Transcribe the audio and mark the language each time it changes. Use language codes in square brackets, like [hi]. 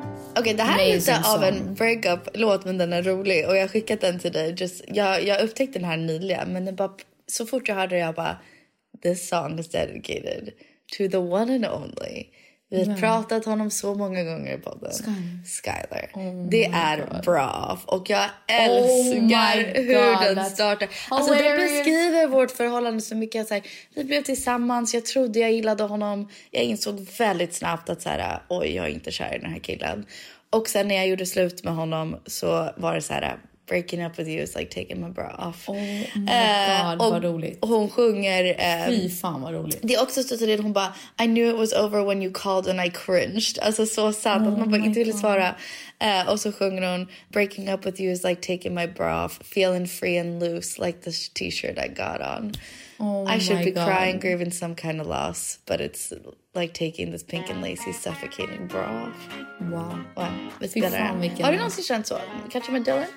[sv] Okej, okay, det här amazing är lite av en breakup-låt, men den är rolig. Och jag har skickat den till dig. Just, jag upptäckte den här nyligen, men bara, så fort jag hörde jag bara... [en] This song is dedicated to the one and only. [sv] Vi har pratat honom så många gånger på den. Skyler. Oh, det är God. Bra. Och jag älskar oh hur God, den startar. Alltså, de beskriver vårt förhållande så mycket. Så här, vi blev tillsammans, jag trodde jag gillade honom. Jag insåg väldigt snabbt att så här, oj, jag är inte kär i den här killen. Och sen när jag gjorde slut med honom så var det så här... [en] Breaking up with you is like taking my bra off. Oh my god, [sv] vad roligt. Och hon sjunger... Fy fan, vad roligt. Det är också så att hon bara... [en] I knew it was over when you called and I cringed. [sv] Alltså så sant att man bara inte ville svara. Och så sjunger hon... [en] Breaking up with you is like taking my bra off. Feeling free and loose like the t-shirt I got on. Oh I should my be god. Crying, grieving some kind of loss. But it's like taking this pink and lacy suffocating bra off. Wow. Wow, it's better. [sv] Har du någonsin känt så? Catch you med Dylan?